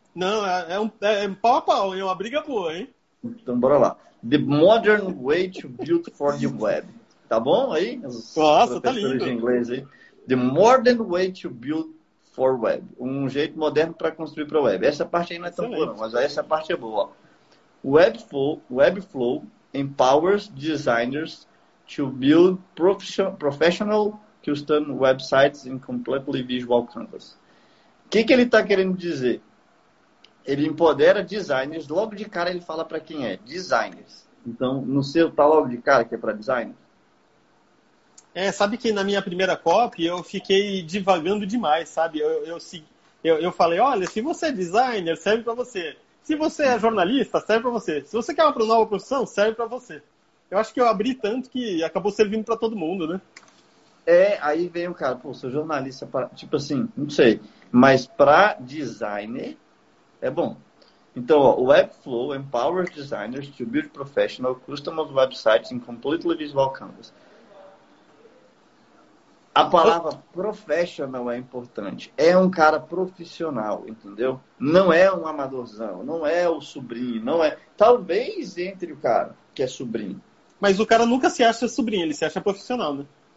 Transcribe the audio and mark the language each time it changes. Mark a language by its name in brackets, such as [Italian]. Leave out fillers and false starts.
[Portuguese] Não, é um pau a pau, é uma briga boa, hein? Então bora lá. The Modern Way to Build for the Web. Tá bom aí? Nossa, tá lindo. De inglês aí. The Modern Way to Build for Web. Um jeito moderno para construir para web. Essa parte aí não é tão boa, mas essa parte é boa. [English] Webflow empowers designers to build professional custom websites in completely visual canvas. [Portuguese] O que ele está querendo dizer? Ele empodera designers. Logo de cara ele fala para quem é. Designers. Então, no seu, tá logo de cara que é para designers? É, sabe que na minha primeira copy eu fiquei divagando demais, sabe? Eu falei, olha, se você é designer, serve para você. Se você é jornalista, serve para você. Se você quer uma nova profissão, serve para você. Eu acho que eu abri tanto que acabou servindo pra todo mundo, né? É, aí vem o cara, pô, sou jornalista, tipo assim, não sei. Mas pra designer, é bom. [English] Então, ó, Webflow empowers designers to build professional custom websites in completely visual canvas. [Portuguese] A palavra professional é importante. É um cara profissional, entendeu? Não é um amadorzão, não é o sobrinho, não é... Talvez entre o cara que é sobrinho. Mas o cara nunca se acha sobrinho, ele se acha profissional, né?